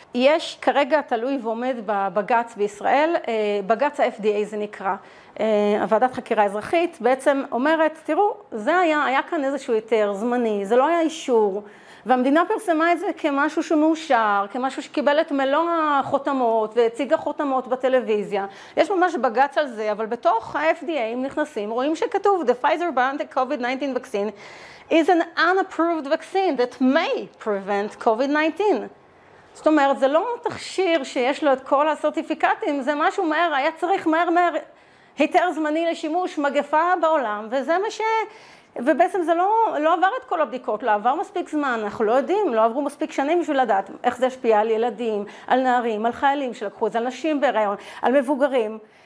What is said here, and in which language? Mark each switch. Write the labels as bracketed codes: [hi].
[he] יש כרגע תלוי ועומד בבגץ בישראל, בגץ ה-FDA זה נקרא, הוועדת חקירה אזרחית, בעצם אומרת, תראו, זה היה כאן איזשהו יותר זמני, זה לא היה אישור, והמדינה פרסמה את זה כמשהו שמאושר, כמשהו שקיבל את מלוא החותמות והציג החותמות בטלוויזיה. יש ממש בגץ על זה, אבל בתוך ה-FDA, אם נכנסים, רואים שכתוב, [en] "The Pfizer-BioNTech COVID-19 vaccine is an unapproved vaccine that may prevent COVID-19. [he] זאת אומרת, זה לא תכשיר שיש לו את כל הסרטיפיקטים, זה משהו מהר, היה צריך מהר היתר זמני לשימוש מגפה בעולם, וזה מה ש... ובעצם זה לא עבר את כל הבדיקות, לא עבר מספיק זמן, אנחנו לא יודעים, לא עברו מספיק שנים בשביל לדעת איך זה השפיע על ילדים, על נערים, על חיילים שלקחו את זה, על נשים בהיריון, על מבוגרים.